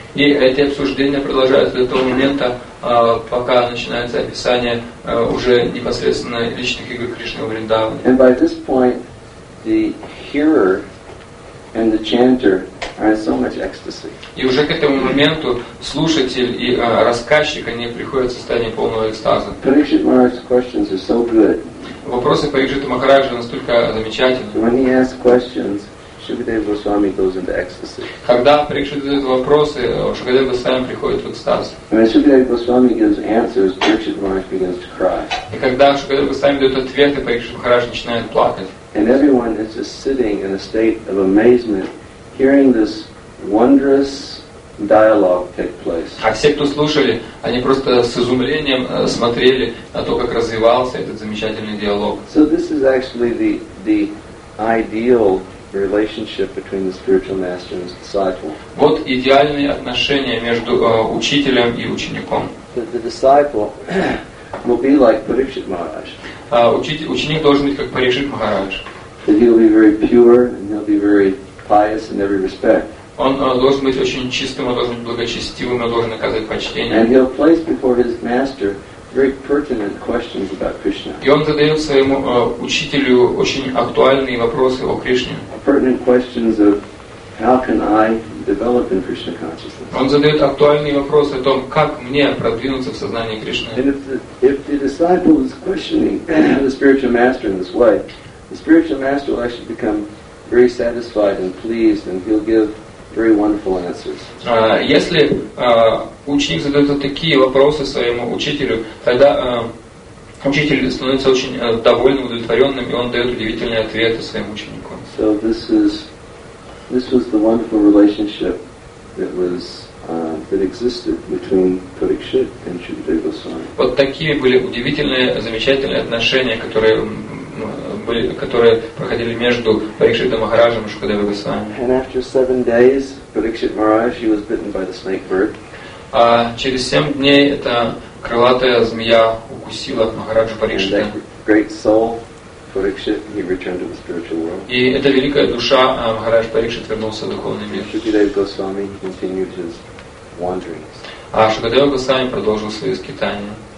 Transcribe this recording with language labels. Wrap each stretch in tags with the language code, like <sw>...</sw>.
<ru>И эти обсуждения продолжаются до того момента, пока начинается описание уже непосредственно личных игр Кришны в Вриндаване.</ru> <en>And by this point, the hearer and the chanter are in so much ecstasy.</en> <ru>И уже к этому моменту слушатель и рассказчик они приходят в состояние полного экстаза.</ru> <en>Parikshit Maharaj's questions are so good.</en> <ru>Вопросы Парикшита Махараджа настолько замечательны.</ru> <en>When he asks questions, Shukadeva Goswami goes into ecstasy.</en> <ru>Когда Парикшит задает вопросы, Шукадева Госвами приходит в экстаз.</ru> <en>When Shukadeva Goswami gives answers, Parikshit Maharaj begins to cry.</en> <ru>И когда Шукадева Госвами дает ответы, Парикшит Махарадж начинает плакать.</ru> <en>And everyone is just sitting in a state of amazement, hearing this wondrous dialogue take place.</en> <ru>А все, кто слушали, они просто с изумлением смотрели на то, как развивался этот замечательный диалог.</ru> <en>So this is actually the ideal relationship between the spiritual master and his disciple.</en> <ru>Вот идеальные отношения между учителем и учеником.</ru> <en>The disciple will be like Parikshit Maharaj.</en> <ru>Ученик должен быть как Парикшит Махарадж.</ru> <en>That he'll be very pure and he'll be very pious in every respect.</en> <ru>Он должен быть очень чистым, он должен быть благочестивым, он должен оказывать почтение.</ru> <en>And he'll place before his master very pertinent questions about Krishna.</en> <ru>И он задает своему учителю очень актуальные вопросы о Кришне.</ru> <en>Pertinent questions of how can I develop in Krishna consciousness?</en> <ru>Он задает актуальные вопросы о том, как мне продвинуться в сознании Кришны.</ru> <en>And if the disciple is questioning the spiritual master in this way, the spiritual master will actually become very satisfied and pleased, and he'll give very wonderful answers.</en> <ru>Если ученик задает такие вопросы своему учителю, тогда учитель становится очень довольным, удовлетворенным, и он дает удивительные ответы своему ученику.</ru> <en>So this was the wonderful relationship that was that existed between Parikshit and Shukadeva Goswami.</en> <ru>Вот такие были удивительные, замечательные отношения, которые были, которые проходили между Парикшитом Махараджем и Шукадевой Госвами.</ru> <en>And after 7 days, Parikshit Maharaj, he was bitten by the snake bird.</en> <ru>А через 7 дней эта крылатая змея укусила Махараджу Парикшита.</ru> <en>Great soul, Parikshit, he returned to the spiritual world.</en> <ru>И эта великая душа Махарадж Парикшит вернулся в духовный мир.</ru> <en>Шукадева Госвами continued his wanderings.</en> <ru>А Шукадева Госвами продолжил свои скитания.</ru>